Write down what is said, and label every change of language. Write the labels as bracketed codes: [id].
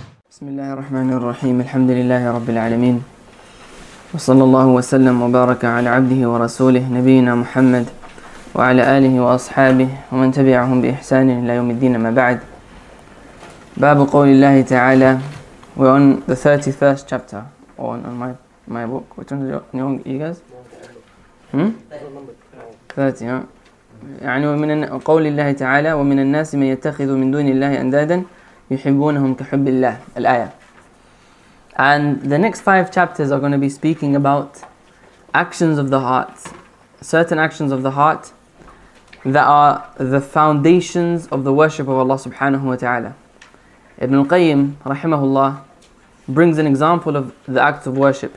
[ar] بسم الله الرحمن الرحيم، الحمد لله رب العالمين، وصلى الله وسلم وبارك على عبده ورسوله نبينا محمد وعلى آله وأصحابه ومن تبعهم بإحسان إلى يوم الدين، ما بعد. باب قول الله تعالى. [en] We're on the 31st chapter on my book. Which one is your young eagles? 30, huh? [ar] يعني ومن قول الله تعالى ومن الناس من يتخذ من دون الله أندادا يحبونهم كحب الله الآية. [en] And the next five chapters are going to be speaking about actions of the heart, certain actions of the heart that are the foundations of the worship of Allah subhanahu wa ta'ala. Ibn al-Qayyim, rahimahullah, brings an example of the act of worship.